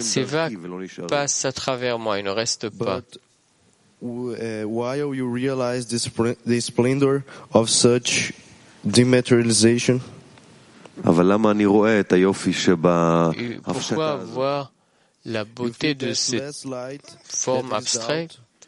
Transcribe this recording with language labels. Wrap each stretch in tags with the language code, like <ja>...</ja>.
<fr>Ces vagues passent à travers moi, ils ne restent pas.</fr> <en>While you realize the splendor of such dematerialization,</en> <fr>pourquoi voir la beauté de cette forme abstraite?</fr>